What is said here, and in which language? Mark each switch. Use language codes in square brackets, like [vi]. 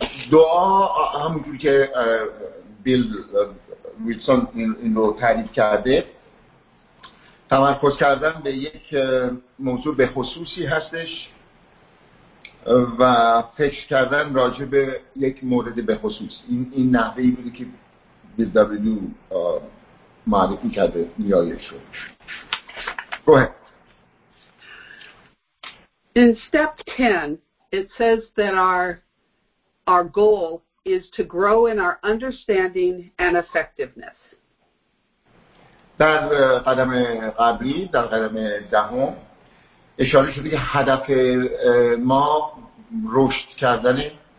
[fa] دعا همونجوری که بیل ویلسون این رو تعریف کرده، تمرکز کردن به یک موضوع به خصوصی هستش و فکر کردن راجع به یک مورد به خصوص. این نحوهی بوده که بیل دبلیو معرفی کرده نیایش رو. [en] Go ahead. In step 10, it says that our goal is to grow in our understanding and effectiveness. [fa] در قدم قبلی، در قدم دهم، اشاره شده که هدف ما رشد کردن.